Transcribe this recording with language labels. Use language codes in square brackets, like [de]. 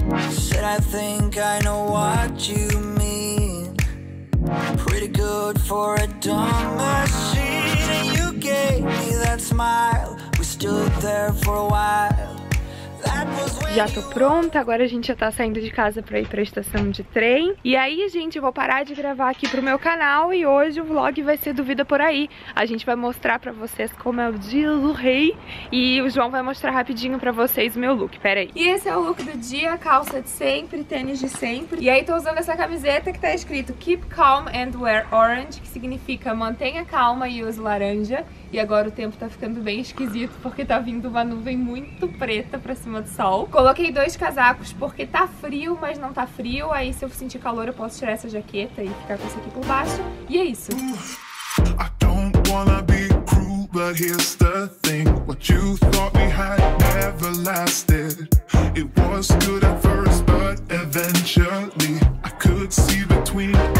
[en] Said I think I know what you mean. Pretty good for a dumb machine. And you gave me that smile. We stood there for a while. That was when. [pt] Já tô pronta, agora a gente já tá saindo de casa pra ir pra estação de trem. E aí, gente, eu vou parar de gravar aqui pro meu canal e hoje o vlog vai ser do Vida Por Aí. A gente vai mostrar pra vocês como é o dia do rei e o João vai mostrar rapidinho pra vocês o meu look, pera aí. E esse é o look do dia, calça de sempre, tênis de sempre. E aí tô usando essa camiseta que tá escrito [en] Keep Calm and Wear Orange, [pt] que significa mantenha calma e use laranja. E agora o tempo tá ficando bem esquisito porque tá vindo uma nuvem muito preta pra cima do sol. Coloquei dois casacos porque tá frio, mas não tá frio. Aí se eu sentir calor eu posso tirar essa jaqueta e ficar com isso aqui por baixo. E é isso. [en] I don't wanna be cruel, but here's the thing. What you thought we had never lasted. It was good at first, but eventually I could see between.